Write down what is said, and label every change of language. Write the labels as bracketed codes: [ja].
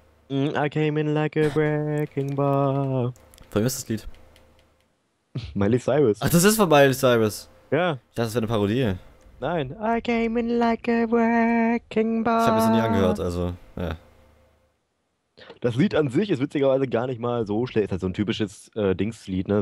[en] I came in like a wrecking ball. [de] Von wem ist das Lied? Miley Cyrus. Ach, das ist von Miley Cyrus. Ja. Ich dachte, das wäre eine Parodie. Nein. [en] I came in like a wrecking [de] Ich habe es noch nie [en] ball. [de] angehört, also. Ja. Das Lied an sich ist witzigerweise gar nicht mal so schlecht. Ist halt so ein typisches Dingslied, ne?